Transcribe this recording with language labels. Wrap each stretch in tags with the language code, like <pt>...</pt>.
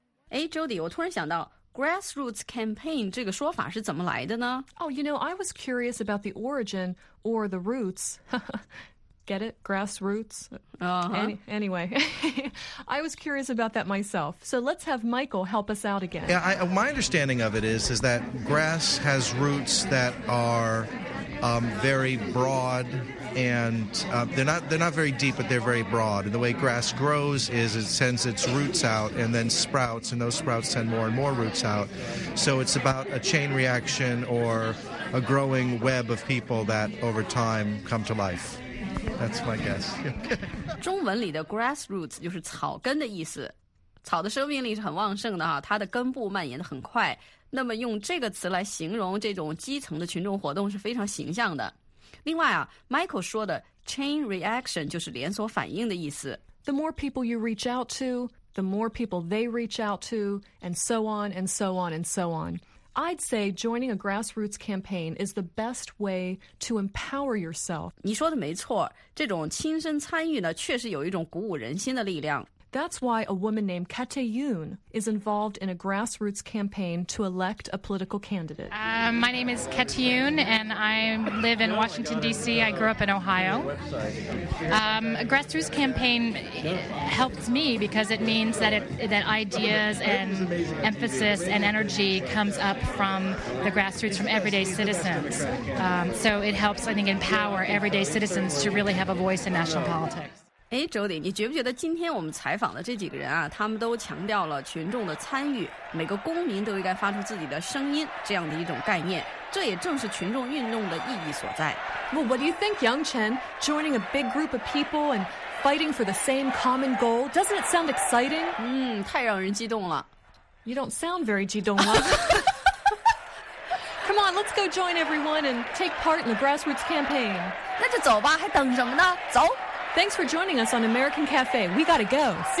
<en>Hey,</en> <zh>Jody, 我突然想到 grassroots campaign 这个说法是怎么来的呢</zh> <en>Oh, you know, I was curious about the origin or the roots. Get it? Grassroots? Anyway, I was curious about that myself. So let's have Michael help us out again. Yeah, my understanding of it is that grass has roots that are very broad and they're not very deep, but they're very broad. And the way grass grows is it sends its roots out and then sprouts, and those sprouts send more and more roots out. So it's about a chain reaction or a growing web of people that over time come to life. That's my guess.</en> <zh>中文里的 grassroots 就是草根的意思，草的生命力是很旺盛的哈，它的根部蔓延的很快。那么用这个词来形容这种基层的群众活动是非常形象的。另外啊 ，Michael 说的 chain reaction 就是连锁反应的意思。</zh> <en>The more people you reach out to, the more people they reach out to, and so on and so on and so on. I'd say joining a grassroots campaign is the best way to empower yourself.</en> <zh>你说的没错，这种亲身参与呢，确实有一种鼓舞人心的力量。</zh> <en>That's why a woman named Kate Yoon is involved in a grassroots campaign to elect a political candidate. My name is Kate Yoon, and I live in Washington, D.C. I grew up in Ohio. A grassroots campaign helps me because it means that, that ideas and emphasis and energy comes up from the grassroots, from everyday citizens. So it helps, I think, empower everyday citizens to really have a voice in national politics.</en> <zh>哎 ，Jody， 你觉不觉得今天我们采访的这几个人啊，他们都强调了群众的参与，每个公民都应该发出自己的声音这样的一种概念，这也正是群众运动的意义所在。</zh> <en>Well, what do you think, Yang Chen? Joining a big group of people and fighting for the same common goal, doesn't it sound exciting?</en> <zh>嗯，太让人激动了。</zh> <en>You don't sound very</en> <zh>激动了。</zh> <en>Come on, let's go join everyone and take part in the grassroots campaign.</en> <zh>那就走吧，还等什么呢？走。</zh> <en>Thanks for joining us on American Cafe. We gotta go. See you.</en>